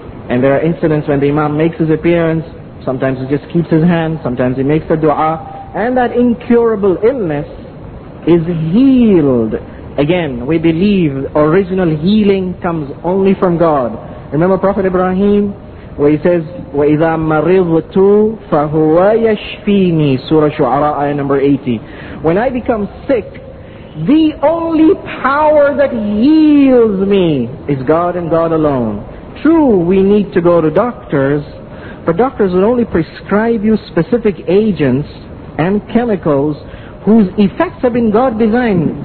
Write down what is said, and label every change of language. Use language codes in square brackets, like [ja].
[en] And there are incidents when the imam makes his appearance. Sometimes he just keeps his hand, sometimes he makes a dua. And that incurable illness is healed. Again, we believe original healing comes only from God. Remember Prophet Ibrahim? Where he says, [ar] وَإِذَا مَرِضْتُ فَهُوَ يَشْفِينِي. [en] Surah Shu'ara, ayah number 80. When I become sick, the only power that heals me is God and God alone. True, we need to go to doctors, but doctors will only prescribe you specific agents and chemicals whose effects have been God designed.